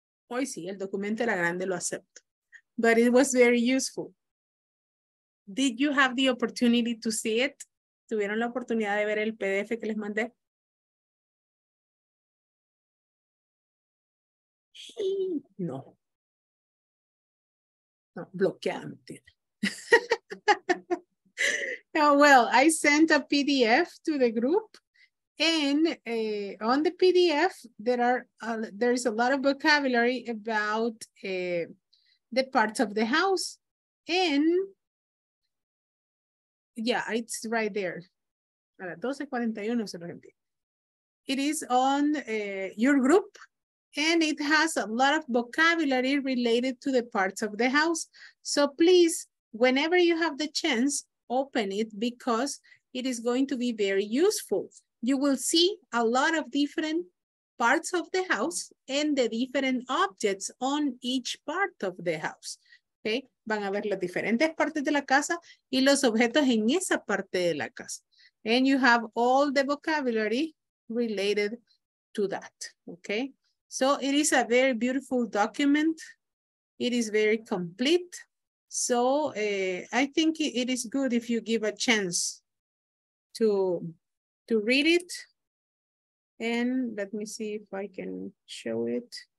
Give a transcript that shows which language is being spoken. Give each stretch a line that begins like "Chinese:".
Spanish: Hoy sí, el documento era grande, lo acepto.
English: But it was very useful. Did you have the opportunity to see it?
Spanish: ¿Tuvieron la oportunidad de ver el PDF que les mandé? No. No, bloqueada, mentira.
English: Oh, well, I sent a PDF to the group. And on the PDF, there is a lot of vocabulary about the parts of the house. And yeah, it's right there.
Spanish: A las 12:41 se lo envié.
English: It is on your group, and it has a lot of vocabulary related to the parts of the house. So please, whenever you have the chance, open it, because it is going to be very useful. You will see a lot of different parts of the house and the different objects on each part of the house. Okay?
Spanish: Van a ver las diferentes partes de la casa y los objetos en esa parte de la casa.
English: And you have all the vocabulary related to that. Okay? So it is a very beautiful document. It is very complete. So I think it is good if you give a chance to read it, and let me see if I can show it.